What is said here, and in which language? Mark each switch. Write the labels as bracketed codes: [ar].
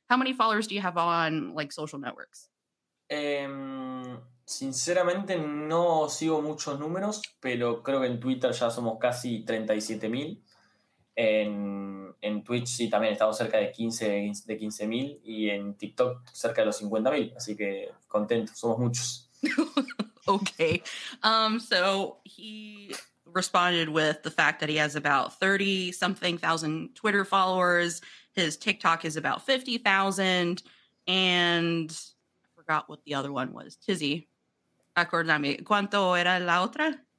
[en] How many followers do you have on, like, social networks? [es] Sinceramente, no sigo muchos números, pero creo que en Twitter ya somos casi 37,000. En Twitch sí, también estamos cerca de 15,000 y en TikTok cerca de los 50,000. Así que contentos, somos muchos. [en] Okay. So he responded with the fact that he has about 30 something thousand Twitter followers. His TikTok is about 50,000. And I forgot what the other one was. [es] Tizzy, acordame. ¿Cuánto era la otra?